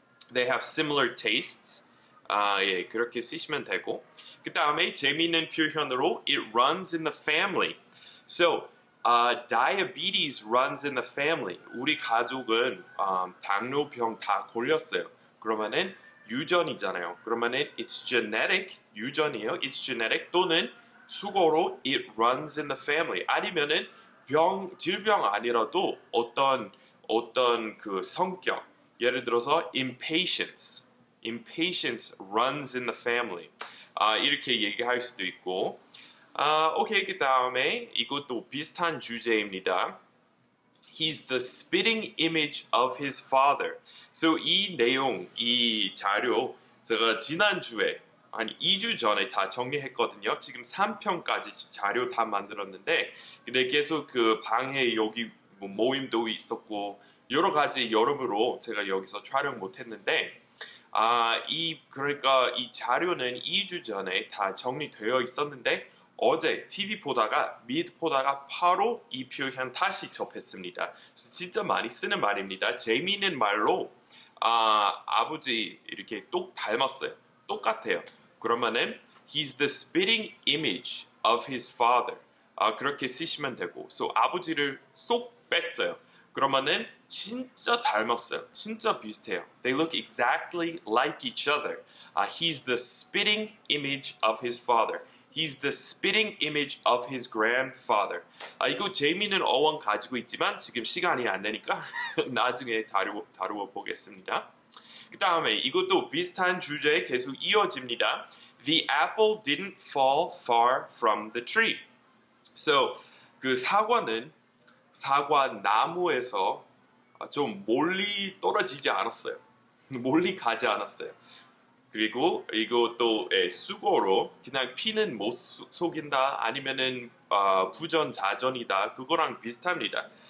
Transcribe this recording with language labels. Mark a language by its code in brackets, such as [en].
[en] They have similar tastes. [ko] 그렇게 쓰시면 되고 그 다음에 재미있는 표현으로 [en] it runs in the family. So diabetes runs in the family. [ko] 우리 가족은 당뇨병 다 걸렸어요. 그러면은 유전이잖아요. 그러면은 [en] it's genetic [ko] 유전이에요. [en] It's genetic [ko] 또는 수거로 [en] it runs in the family. [ko] 아니면은 병 질병 아니라도 어떤 그 성격 예를 들어서 impatience. [en] Impatience runs in the family. [ko] 이렇게 얘기할 수도 있고 오케이, 그 다음에 이것도 비슷한 주제입니다. [en] He's the spitting image of his father. [ko] So 이 내용, 이 자료 제가 지난주에 한 2주 전에 다 정리했거든요. 지금 3편까지 자료 다 만들었는데 근데 계속 그 방에 여기 뭐 모임도 있었고 여러 가지 여름으로 제가 여기서 촬영 못했는데 그러니까 이 자료는 2주 전에 다 정리되어 있었는데 어제 TV 보다가 미드 보다가 바로 이 표현 다시 접했습니다. 진짜 많이 쓰는 말입니다. 재미있는 말로 아버지 이렇게 똑 닮았어요. 똑같아요. 그러면은 [en] he's the spitting image of his father. [ko] 그렇게 쓰시면 되고 so 아버지를 쏙 뺐어요. 그러면은 진짜 닮았어요. 진짜 비슷해요. [en] They look exactly like each other. He's the spitting image of his father. He's the spitting image of his grandfather. [ko] 이거 재미있는 어원 가지고 있지만 지금 시간이 안 되니까 나중에 다루어 보겠습니다. 그 다음에 이것도 비슷한 주제에 계속 이어집니다. [en] The apple didn't fall far from the tree. [ko] So 그 사과나무에서 좀 멀리 떨어지지 않았어요. 멀리 가지 않았어요. 그리고 이것도 수거로 그냥 피는 못 속인다 아니면은 부전자전이다 그거랑 비슷합니다.